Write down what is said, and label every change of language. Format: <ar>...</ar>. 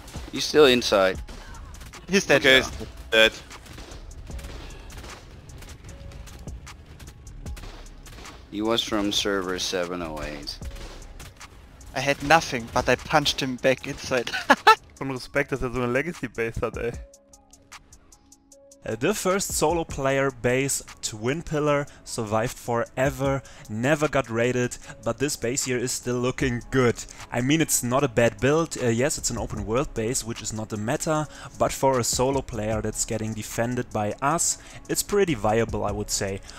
<en>He's still inside. He's dead. Okay, he's dead. He was from server 708. I had nothing, but I punched him back inside.</en> <de>Von Respekt, dass er so eine Legacy Base hat, ey.</de> <en>The first solo player base, Twin Pillar, survived forever, never got raided, but this base here is still looking good. I mean, it's not a bad build. Yes, it's an open world base, which is not the meta, but for a solo player that's getting defended by us, it's pretty viable, I would say.</en>